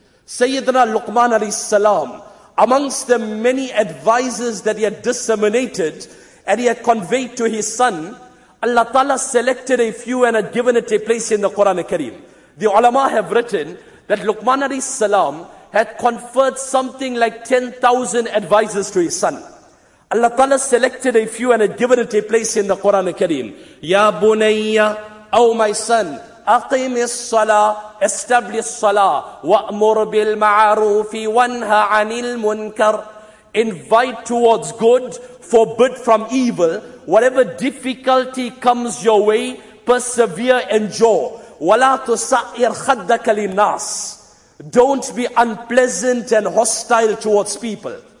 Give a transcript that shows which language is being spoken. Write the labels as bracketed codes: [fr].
[en] Sayyidina Luqman alayhi salam, amongst the many advices that he had disseminated and he had conveyed to his son, Allah Ta'ala selected a few and had given it a place in the Quran Kareem. The ulama have written that Luqman alayhi salam had conferred something like 10,000 advices to his son. Allah Ta'ala selected a few and had given it a place in the Quran Kareem. [ar] Ya bunayya, [en] oh my son, [ar] أقيم الصلاة، [en] establish [ar] الصلاة، وأمر بالمعروف وانهى عن المنكر. [en] Invite towards good, forbid from evil. Whatever difficulty comes your way, persevere, endure. [ar] ولا تسعر خدك للناس. [en] Don't be unpleasant and hostile towards people.